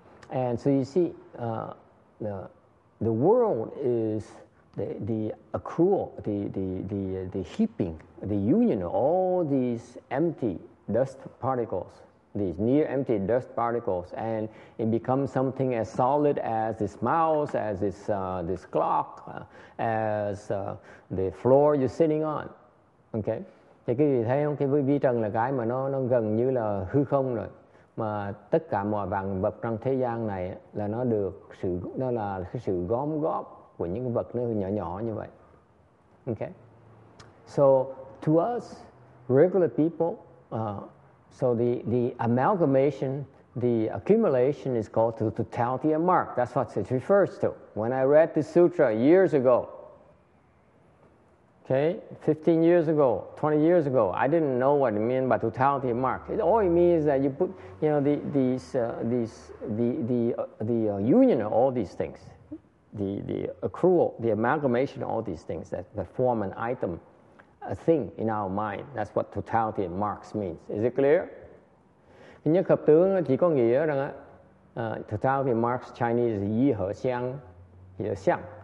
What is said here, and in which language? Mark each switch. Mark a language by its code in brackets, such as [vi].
[en] And so you see the world is the accrual, the heaping, the union of all these empty dust particles, these near empty dust particles, and it becomes something as solid as this mouse, as this clock, as the floor you're sitting on. [vi] Okay? Thì quý vị thấy không? Cái vi trần là cái mà nó gần như là hư không rồi. Mà tất cả mọi vạn vật trong thế gian này là nó được sự, nó là cái sự gom góp của những vật nó nhỏ nhỏ như vậy. [en] Okay? So to us, regular people, so the amalgamation, the accumulation is called the totality of Mark. That's what it refers to. When I read the sutra years ago, okay, 15 years ago, 20 years ago, I didn't know what it meant by totality of Mark. All it means is that you put, you know, the union of all these things, the accrual, the amalgamation of all these things that form an item, a thing in our mind. That's what totality of Marx means. Is it clear? [vi] Nhất hợp tướng chỉ có nghĩa rằng [en] totality of Marx [vi] Chinese yi he xiang, yi he xiang.